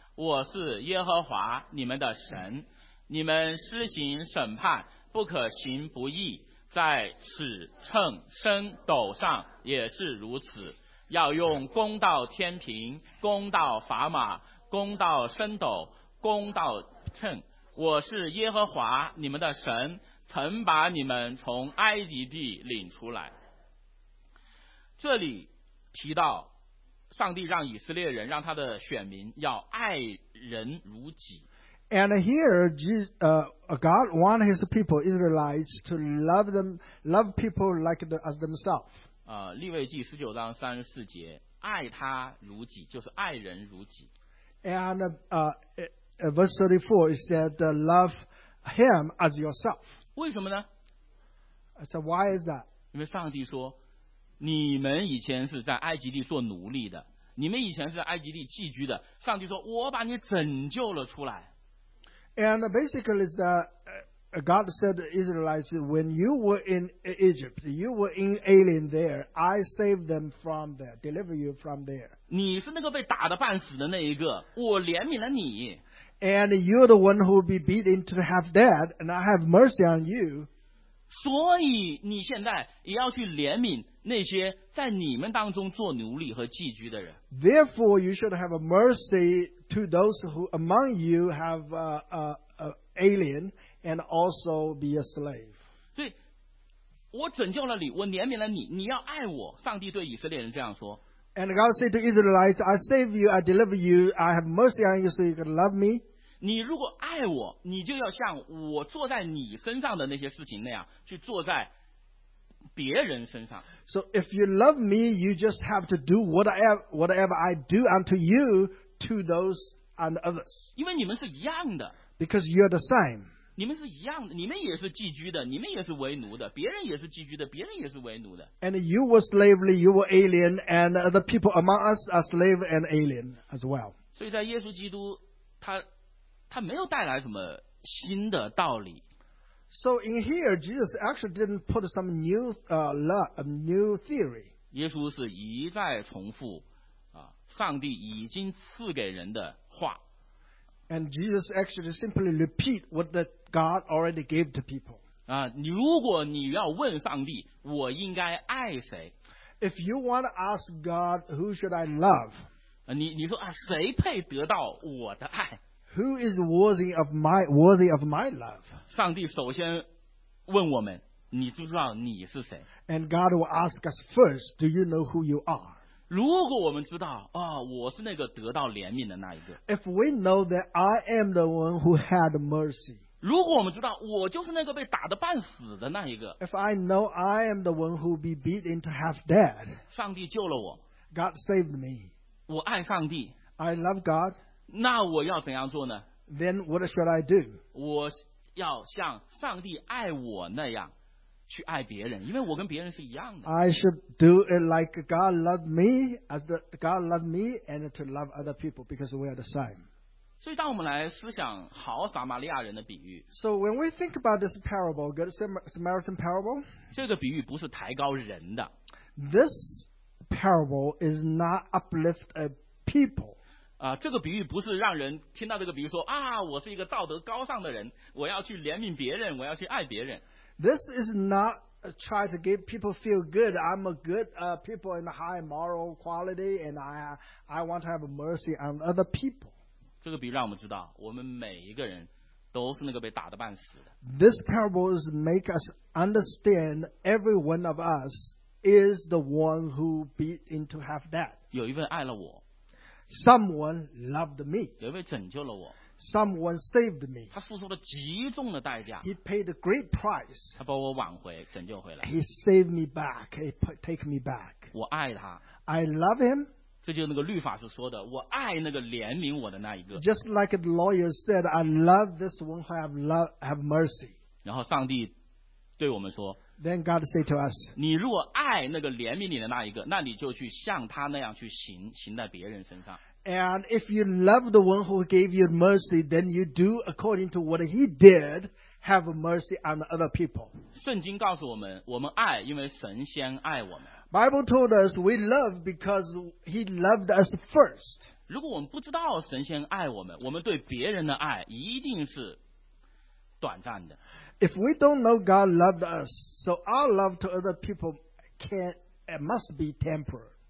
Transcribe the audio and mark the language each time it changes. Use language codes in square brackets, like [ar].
[zh] 我是耶和华你们的神，你们施行审判，不可行不义，在尺秤升斗上也是如此，要用公道天平，公道砝码，公道升斗，公道秤。我是耶和华你们的神，曾把你们从埃及地领出来。这里提到上帝让以色列人，让他的选民要爱人如己。 [en] And here God wants his people Israelites to love them, love people like the, as themselves. [zh] 利未记十九章三十四节，爱他如己就是爱人如己。 [en] And verse 34 it said love him as yourself. [zh] 为什么呢？ [en] So why is that? [zh] 因为上帝说你们以前是在埃及地做奴隶的，你们以前是在埃及地寄居的，上帝说我把你拯救了出来。 [en] And basically is that God said to Israelites, when you were in Egypt, you were in alien there, I saved them from there, deliver you from there. [zh] 你是那个被打得半死的那一个，我怜悯了你。 [en] And you're the one who will be beaten to half dead, and I have mercy on you. [zh] 所以你现在也要去怜悯那些在你们当中做奴隶和寄居的人。 [en] Therefore you should have a mercy to those who among you have alien and also be a slave. [zh] 对，我拯救了你，我怜悯了你，你要爱我。上帝对以色列人这样说。 [en] And God said to Israelites, I save you, I deliver you, I have mercy on you so you can love me. [zh] 你如果爱我，你就要像我坐在你身上的那些事情那样去坐在别人身上。 [en] So if you love me, you just have to do whatever I do unto you to those and others. [zh] 因为你们是一样的。 [en] Because you are the same. [zh] 你们是一样的，你们也是寄居的，你们也是为奴的，别人也是寄居的，别人也是为奴的。 [en] And you were slavery, you were alien, and the people among us are slave and alien as well. [zh] 所以在耶稣基督，他没有带来什么新的道理。 [en] So in here, Jesus actually didn't put some new new theory. [zh] 耶稣是一再重复上帝已经赐给人的话。 [en] And Jesus actually simply repeat what the God already gave to people. [zh] 如果你要问上帝，我应该爱谁 [en] ？If you want to ask God, who should I love? [zh] 你说谁配得到我的爱？ [en] Who is worthy of my love? [zh] 上帝首先问我们，你知不知道你是谁？ [en] And God will ask us first, do you know who you are? [zh] 如果我们知道，我是那个得到怜悯的那一个。 [en] If we know that I am the one who had mercy. [zh] 如果我们知道，我就是那个被打得半死的那一个。 [en] If I know I am the one who be beaten to half dead. [zh] 上帝救了我。 [en] God saved me. [zh] 我爱上帝。 [en] I love God. [zh] 那我要怎样做呢？ [en] Then what should I do? [zh] 我要像上帝爱我那样去爱别人，因为我跟别人是一样的。 [en] I should do it like God loved me, as God loved me, and to love other people because we are the same. [zh] 所以当我们来思想好撒玛利亚人的比喻 [en] ，So when we think about this parable, Good Samaritan parable， [zh] 这个比喻不是抬高人的。 [en] This parable is not uplift a people。 [zh] 啊，这个比喻不是让人听到这个比喻说啊，我是一个道德高尚的人，我要去怜悯别人，我要去爱别人。 [en] This is not try to give people feel good. I'm a good people in high moral quality, and I want to have mercy on other people. [zh] 这个比喻让我们知道，我们每一个人都是那个被打得半死的。 [en] This parable is make us understand every one of us is the one who beat into half dead. [zh] 有一位爱了我。 [en] Someone loved me. [zh] 有一位拯救了我。 [en] Someone saved me. [zh] 他付出了极重的代价。 [en] He paid a great price. [zh] 他把我挽回，拯救回来。 [en] He saved me back. He take me back. [zh] 我爱他。 [en] I love him. [zh] 这就是那个律法所说的，我爱那个怜悯我的那一个。 [en] Just like the lawyer said, I love this one who have mercy. [zh] 然后上帝对我们说。 [en] Then God say to us, [zh] 你如果爱那个怜悯你的那一个，那你就去像他那样去行，行在别人身上。 [en] And if you love the one who gave you mercy, then you do according to what he did, have mercy on other people. [zh] 圣经告诉我们，我们爱，因为神先爱我们。 [en] Bible told us we love because he loved us first. [zh] 如果我们不知道神先爱我们，我们对别人的爱一定是短暂的。 [en] If we don't know God loved us, so our love to other people must be temporary.